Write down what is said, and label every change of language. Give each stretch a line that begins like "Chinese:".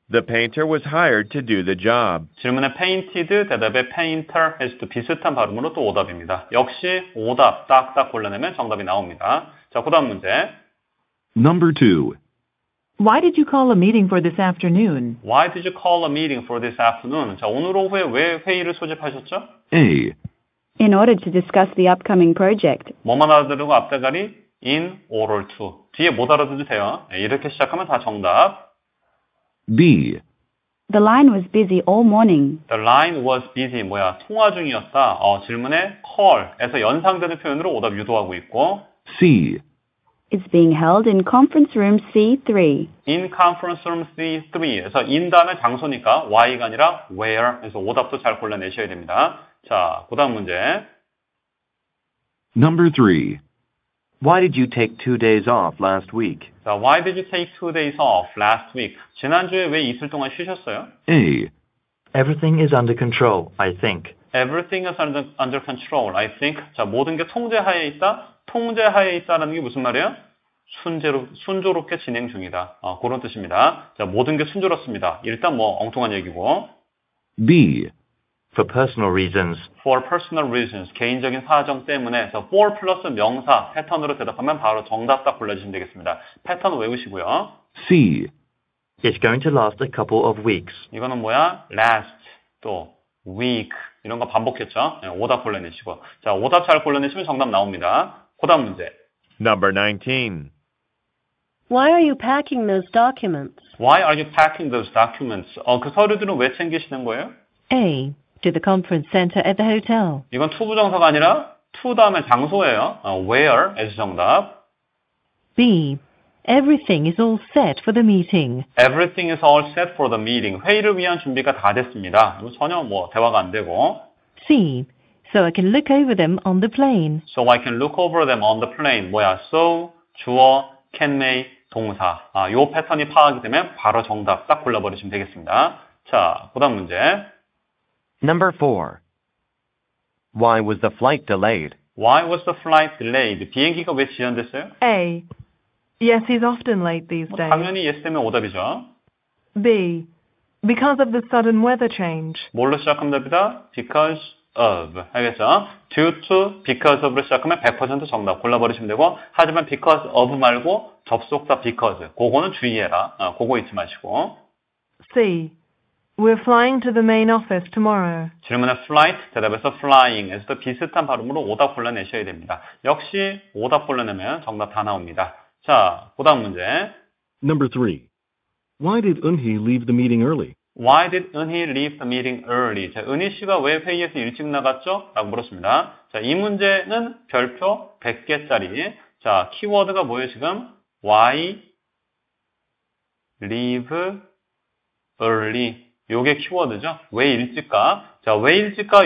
English: The painter was hired to do the job.
Korean: 질문에 painted, 대답에 painter 해서 또 비슷한 발음으로 또 오답입니다. 역시 오답 딱딱 골라내면 정답이 나옵니다. 자, 그 다음 문제.
English: Number 2. Why did you call a meeting for this afternoon? Why did you call a meeting for this afternoon?
Korean: 자, 오늘 오후에 왜 회의를 소집하셨죠?
English: A. In order to discuss the upcoming project.
Korean: 뭐만 알아들고 앞다가리?
English: In order to.
Korean: 뒤에 못 알아들어도 돼요. 이렇게 시작하면 다 정답.
English: B. The line was busy all morning. The line was busy.
Korean: 뭐야? 통화 중이었다. 질문에 call에서 연상되는 표현으로 오답 유도하고 있고.
English: C. It's being held in conference room C3. In conference room C3
Korean: 에서 in 다음에 장소니까 why가 아니라 where에서 오답도 잘 골라내셔야 됩니다. 자, 그 다음 문제.
English: Number 3. Why did you take 2 days off last week? So why did you take 2 days off last week?
Korean: 지난주에 왜 이틀 동안 쉬셨어요?
English: A. Everything is under control, I think. Everything is under control, I think.
Korean: 자, 모든 게 통제하에 있다. 통제하에 있다라는 게 무슨 말이에요? 순조롭게 진행 중이다. 그런 뜻입니다. 자, 모든 게 순조롭습니다. 일단 뭐 엉뚱한 얘기고.
English: B. For personal reasons. For personal reasons.
Korean: 개인적인 사정 때문에. 그래서 for 플러스 명사 패턴으로 대답하면 바로 정답 딱 골라주시면 되겠습니다. 패턴 외우시고요.
English: C. It's going to last a couple of weeks.
Korean: 이거는 뭐야? Last. 또 week. 이런 거 반복했죠? 네, 오답 골라내시고. 자, 오답 잘 골라내시면 정답 나옵니다. 고답 문제.
English: Number 19. Why are you packing those documents? Why are you packing those documents?
Korean: 그 서류들은 왜 챙기시는 거예요?
English: A. To the conference center at the hotel.
Korean: 이건 to 부정사가 아니라 to 다음에 장소예요. Where is 정답.
English: B. Everything is all set for the meeting. Everything is all set for the meeting.
Korean: 회의를 위한 준비가 다 됐습니다. 전혀 뭐 대화가 안 되고.
English: C. So I can look over them on the plane. So I can look over them on the plane.
Korean: 뭐야? So, 주어, can, may, 동사. 아, 요 패턴이 파악이 되면 바로 정답 딱 골라버리시면 되겠습니다. 자, 고단 문제.
English: Number 4. Why was the flight delayed? Why was the flight delayed?
Korean: 비행기가 왜 지연됐어요?
English: A. Yes, he's often late these days.
Korean: 당연히 yes 때문에 오답이죠.
English: B. Because of the sudden weather change.
Korean: 뭘로 시작하면 답이다? Because of. 알겠죠? Due to, because of로 시작하면 100% 정답. 골라버리시면 되고. 하지만 because of 말고 접속사 because. 그거는 주의해라. 그거 잊지 마시고.
English: C. We're flying to the main office tomorrow.
Korean: 질문에 flight, 대답에서 flying. 에서도 비슷한 발음으로 오답 골라내셔야 됩니다. 역시 오답 골라내면 정답 다 나옵니다. 자, 고단 문제.
English: Number 3. Why did Eun-hee leave the meeting early? Why did Eun-hee leave the meeting early?
Korean: 자, 은희 씨가 왜 회의에서 일찍 나갔죠? 라고 물었습니다. 자, 이 문제는 별표 100개짜리. 자, 키워드가 뭐예요, 지금?
English: Why leave early?
Korean: 요게 키워드죠. 왜 일찍가? 자, 왜 일찍가?